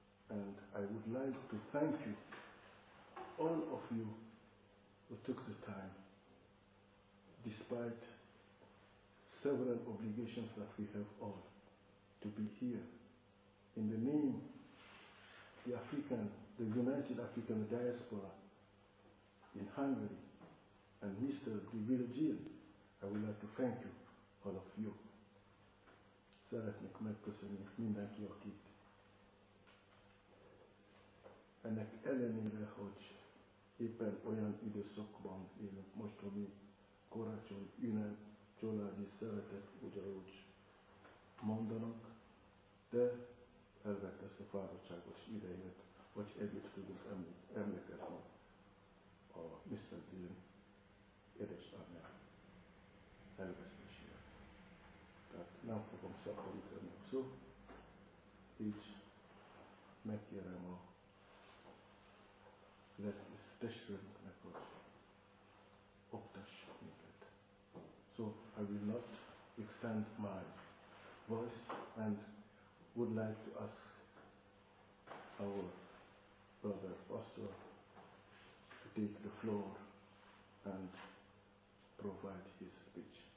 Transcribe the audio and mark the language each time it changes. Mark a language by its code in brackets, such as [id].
[en] And I would like to thank you, all of you who took the time, despite several obligations that we have all, to be here in the name of the United African Diaspora in Hungary, and Mr. De Virgil, I would like to thank you, all of you. [hu] Szeretnék megköszönni mindenki, aki itt. Ennek ellenére, hogy éppen olyan időszakban élünk, most, ami karácsony, ünnep, családi szeretet, ugyanúgy mondanak, de elvett ezt a fáradtságos idejét, hogy együtt tudunk emlékezni a Mr. Dillon édesanyja elvesztésére. Tehát nem fogom szaporítani a szó, így megkérem a lelkész testvérünknek, hogy oktassa minket. [en] So I will not extend my voice and would like to ask our brother Pastor to take the floor and provide his speech.